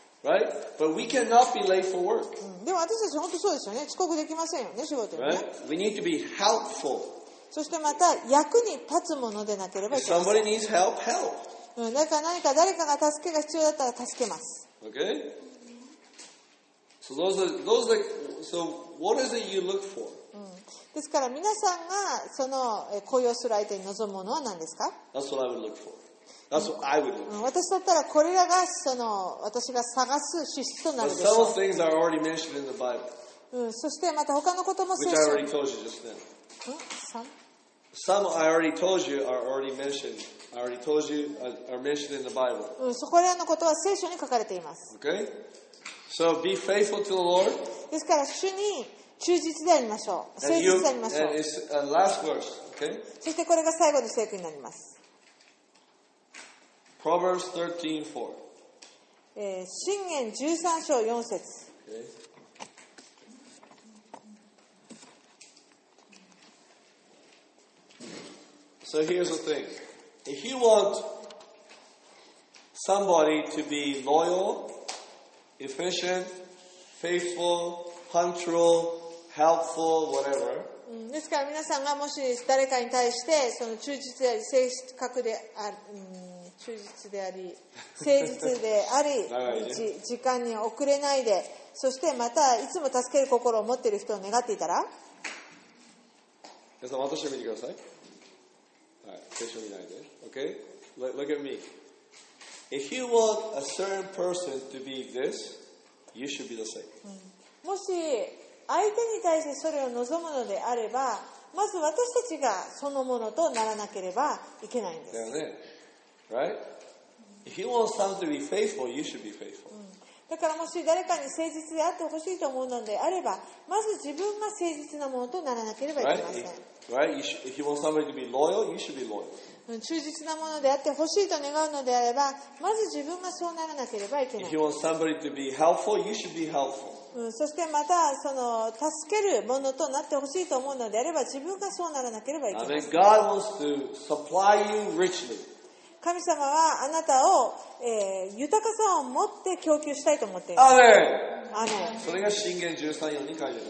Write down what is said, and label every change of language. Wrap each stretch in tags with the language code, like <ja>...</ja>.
<en>Right? But we cannot be late for work.</en> <ja>でも私たち本当そうですよね。遅刻できませんよね、仕事にね。</ja> <en>Right? We need to be helpful.</en> <ja>そしてまた役に立つものでなければいけません。</ja> <en>Somebody needs help, help.</en> <ja>だから何か誰かが助けが必要だったら助けます。</ja> <en>Okay? So those are, so what is it you look for?</en> <ja>ですから皆さんがその雇用する相手に望むものは何ですか?</ja> <en>That's what I would look for. That's what I would look for.</en> <ja>私だったらこれらがその私が探す資質となるでしょう。</ja> <en>But some things are already mentioned in the Bible.</en> <ja>そしてまた他のことも</ja> <en>聖書。Which I already told you just then. Some I already told you are already mentioned. I already told you are mentioned in the Bible.</en> <ja>そこらのことは聖書に書かれています。</ja> <en>Okay. So be faithful to the Lord.</en> <ja>ですから主に忠実でありましょう。誠実でありましょう。</ja> <en>And it's a last verse. Okay.</en> <ja>そしてこれが最後の聖句になります。</ja> <en>Proverbs 13:4.</en> <ja>箴言13章4節。</ja> <en>Okay. So here's the thing. If you want somebody to be loyal, efficient, faithful, punctual, helpful, whatever.</en> <ja>ですから皆さんがもし誰かに対してその忠実であり正確であり、忠実であり誠実であり時間に遅れないで、そしてまたいつも助ける心を持っている人を願っていたら、皆さん私を見てください。はい、聖書を見ないで OK?</ja> <en>Look at me. If you want a certain person to be this, you should be the same.</en> <ja>もし相手に対してそれを望むのであれば、まず私たちがそのものとならなければいけないんです。だよね。</ja> <en>Right? If you want someone to be faithful, you should be faithful.</en> <ja>だからもし誰かに誠実であってほしいと思うのであれば、まず自分が誠実なものとならなければいけません。</ja> <en>Right? If you want somebody to be loyal, you should be loyal.</en> <ja>忠実なものであってほしいと願うのであれば、まず自分がそうならなければいけない。</ja> <en>If you want somebody to be helpful, you should be helpful.</en> <ja>そしてまたその助けるものとなってほしいと思うのであれば、自分がそうならなければいけません。</ja> <en>God wants to supply you richly.</en> <ja>神様はあなたを、豊かさを持って供給したいと思っています。</ja> <en>Amen. Amen.</en> <ja>それが箴言13章に書いてある。</ja>